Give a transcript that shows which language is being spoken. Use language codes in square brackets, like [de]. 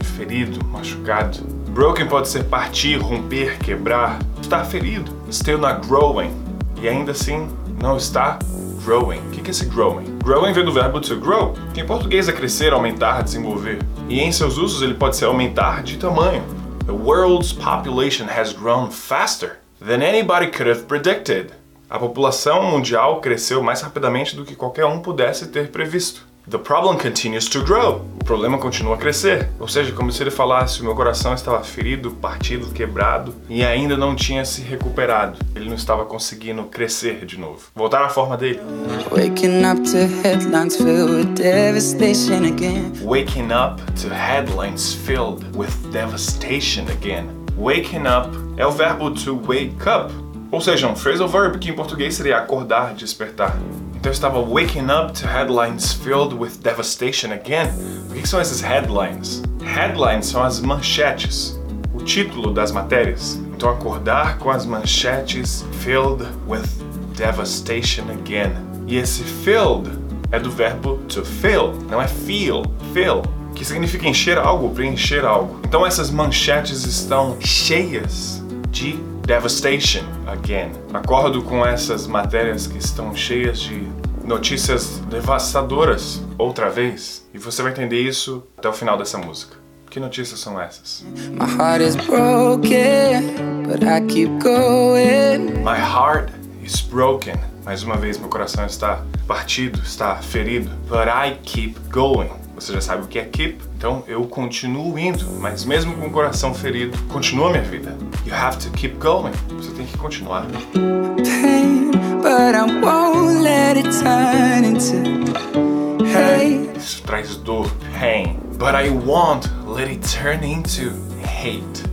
[pt] Ferido, machucado. Broken pode ser partir, romper, quebrar. Estar ferido. [en] Still not growing. [pt] E ainda assim, não está growing. O que é esse growing? Growing vem do verbo to grow, que em português é crescer, aumentar, desenvolver. E em seus usos, ele pode ser aumentar de tamanho. [en] The world's population has grown faster than anybody could have predicted. [pt] A população mundial cresceu mais rapidamente do que qualquer um pudesse ter previsto. [en] The problem continues to grow. [pt] O problema continua a crescer. Ou seja, como se ele falasse, o meu coração estava ferido, partido, quebrado e ainda não tinha se recuperado. Ele não estava conseguindo crescer de novo. Voltar à forma dele. [en] Waking up to headlines filled with devastation again. Waking up to headlines filled with devastation again. [pt] Waking up é o verbo to wake up. Ou seja, um phrasal verb que em português seria acordar, despertar. Então eu estava waking up to headlines filled with devastation again. O que são essas headlines? Headlines são as manchetes, o título das matérias. Então acordar com as manchetes [en] filled with devastation again. [pt] E esse filled é do verbo to fill, não é feel, fill, que significa encher algo, preencher algo. Então essas manchetes estão cheias de [en] devastation again. [pt] Acordo com essas matérias que estão cheias de notícias devastadoras outra vez. E você vai entender isso até o final dessa música. Que notícias são essas? [en] My heart is broken, but I keep going. My heart is broken. [pt] Mais uma vez, meu coração está partido, está ferido. [en] But I keep going. [pt] Você já sabe o que é keep, então eu continuo indo, mas mesmo com o coração ferido, continua minha vida. [en] You have to keep going. [pt] Você tem que continuar. [en] Pain, but I won't let it turn into hate. [pt] Isso traz dor, pain. [en] But I won't let it turn into hate.